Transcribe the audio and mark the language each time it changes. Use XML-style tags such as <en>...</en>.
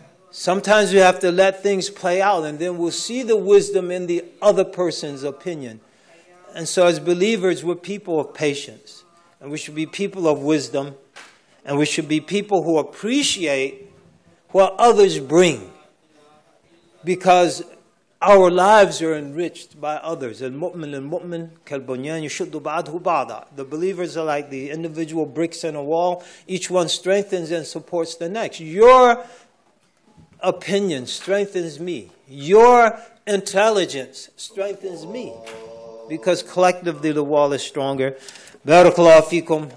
<en>Sometimes we have to let things play out and then we'll see the wisdom in the other person's opinion. And so as believers, we're people of patience. And we should be people of wisdom. And we should be people who appreciate what others bring. Because our lives are enriched by others.</en> <ar>المؤمن المؤمن كالبنيان يشد بعضه بعضا.</ar> <en>The believers are like the individual bricks in a wall. Each one strengthens and supports the next. Your opinion strengthens me. Your intelligence strengthens me. Because collectively the wall is stronger. Barakallahu feekum.</en>